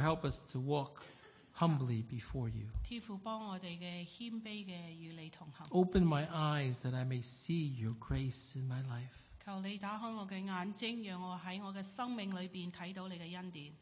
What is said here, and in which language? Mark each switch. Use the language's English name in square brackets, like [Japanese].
[English] Father, help us to walk humbly before you. [Chinese] 天父帮我们的谦卑的与你同行, [English] open my eyes that I may see your grace in my life. [Chinese] 求你打开我的眼睛，让我在我的生命里边睇到你的恩典。